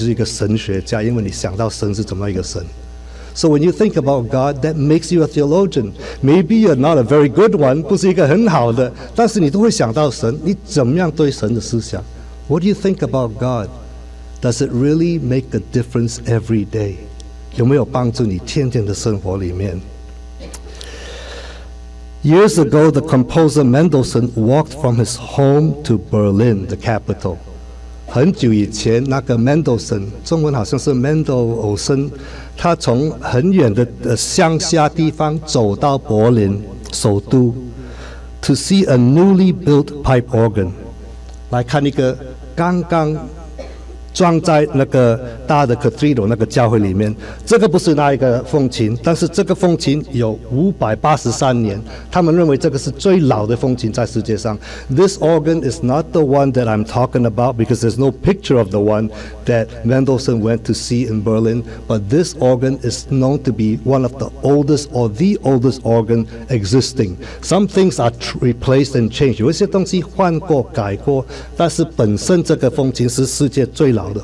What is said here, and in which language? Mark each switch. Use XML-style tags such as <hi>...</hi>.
<zh>你有一定对神有一种的思想。你在想神的时候,你是一个神学家,因为你想到神是怎么一个神。</zh> <en>So when you think about God, that makes you a theologian. Maybe you're not a very good one,</en> <zh>不是一个很好的,但是你都会想到神,你怎么样对神的思想?</zh> <en>What do you think about God? Does it really make a difference every day?</en> <zh>有没有帮助你天天的生活里面?</zh> <en>Years ago, the composer Mendelssohn walked from his home to Berlin, the capital.</en> <zh>很久以前,那个Mendelssohn,中文好像是Mendelssohn, 他从很远的乡下地方走到柏林,首都,</zh> <en>to see a newly built pipe organ.</en> <zh>来看一个刚刚 装在那个大的 cathedral 那个教会里面，这个不是那一个风琴，但是这个风琴有583年，他们认为这个是最老的风琴在世界上。</zh> <en>This organ is not the one that I'm talking about because there's no picture of the one that Mendelssohn went to see in Berlin. But this organ is known to be one of the oldest or the oldest organ existing. Some things are replaced and changed.</en> <zh>有一些东西换过改过，但是本身这个风琴是世界最老的。</zh>